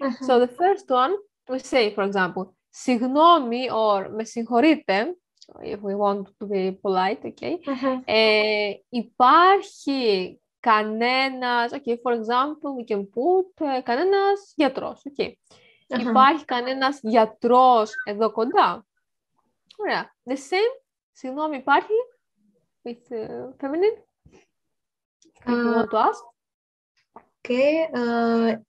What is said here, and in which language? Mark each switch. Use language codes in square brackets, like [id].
[en] So the first one, we say, for example, [el] Συγγνώμη, [en] or [el] με συγχωρείτε, [en] if we want to be polite, okay. [el] Υπάρχει κανένας, [en] okay, for example, we can put [el] κανένας γιατρός, [en] okay. [el] Υπάρχει κανένας γιατρός εδώ κοντά. Ωραία. [en] The same, [el] συγγνώμη, υπάρχει, [en] with feminine, if you want to ask.